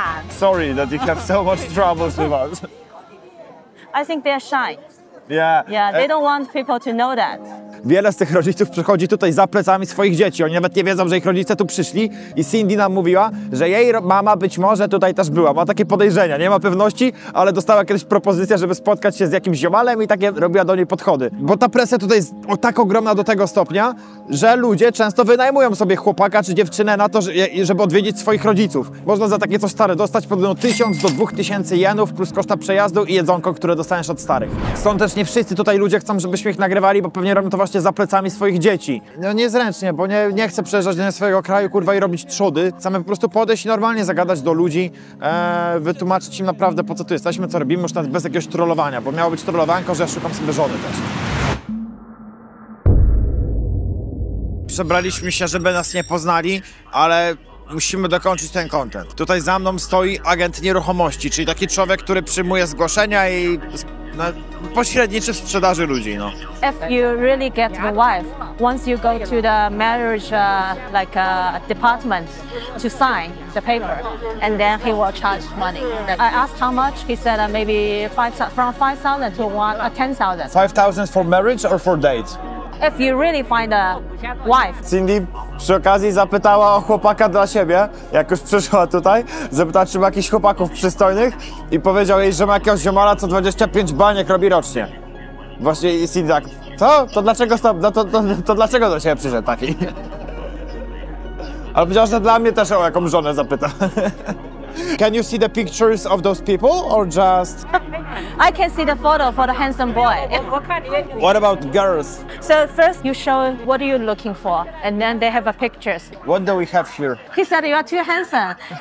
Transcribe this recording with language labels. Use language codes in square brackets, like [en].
[en] sorry that you have so much troubles with us. I think they are shy. Yeah. Yeah, they don't want people to know that. [pl] Wiele z tych rodziców przychodzi tutaj za plecami swoich dzieci. Oni nawet nie wiedzą, że ich rodzice tu przyszli. I Cindy nam mówiła, że jej mama być może tutaj też była. Ma takie podejrzenia, nie ma pewności, ale dostała kiedyś propozycję, żeby spotkać się z jakimś ziomalem i takie robiła do niej podchody. Bo ta presja tutaj jest tak ogromna do tego stopnia, że ludzie często wynajmują sobie chłopaka czy dziewczynę na to, żeby odwiedzić swoich rodziców. Można za takie coś stare dostać pod 1000 do 2000 jenów plus koszta przejazdu i jedzonko, które dostaniesz od starych. Są też nie wszyscy tutaj ludzie chcą, żebyśmy ich nagrywali, bo pewnie robią to właśnie za plecami swoich dzieci. No niezręcznie, bo nie chcę przejeżdżać do swojego kraju, kurwa, i robić trzody. Chcemy po prostu podejść i normalnie zagadać do ludzi, wytłumaczyć im naprawdę, po co tu jesteśmy, co robimy, już nawet bez jakiegoś trollowania, bo miało być trollowanko, że ja szukam sobie żony też. Przebraliśmy się, żeby nas nie poznali, ale musimy dokończyć ten content. Tutaj za mną stoi agent nieruchomości, czyli taki człowiek, który przyjmuje zgłoszenia i pośredniczy w sprzedaży ludzi, no. [en] If you really get the wife, once you go to the marriage department to sign the paper, and then he will charge money. I asked how much. He said maybe from 5,000 to 10,000. 5,000 for marriage or for date? If you really find a wife. [pl] Cindy przy okazji zapytała o chłopaka dla siebie, jak już przyszła tutaj, zapytała, czy ma jakichś chłopaków przystojnych i powiedział jej, że ma jakiegoś ziomala, co 25 baniek robi rocznie. Właśnie i Cindy tak, co? To dlaczego stop? No to dlaczego do ciebie przyszedł taki? Ale powiedziała, że dla mnie też o jaką żonę zapyta. [en] Can you see the pictures of those people or just... I can see the photo for the handsome boy. What about girls? So first you show what are you looking for and then they have a pictures. What do we have here? He said you are too handsome.